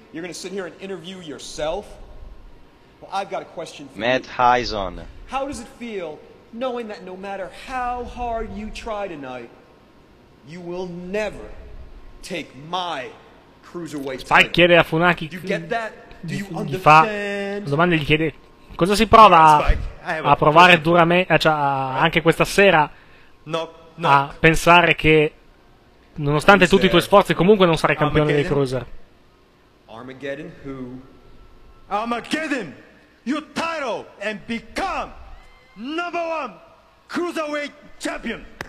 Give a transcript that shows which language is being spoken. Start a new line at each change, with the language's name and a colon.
English: You're going to sit here and interview yourself? Well, I've got a question for Matt you. Heisen. How does it feel knowing that no matter how hard you try tonight, you will never take my cruiserweight title?
Italian: Spike chiede a Funaki.
English: Do you get that? Do you
Italian: gli fa la domanda, gli chiede cosa si prova a provare duramente, cioè anche questa sera, a pensare che nonostante tutti i tuoi sforzi comunque non sarai campione dei Cruiser.
English: Armageddon who? Armageddon your title and become number one Cruiserweight champion.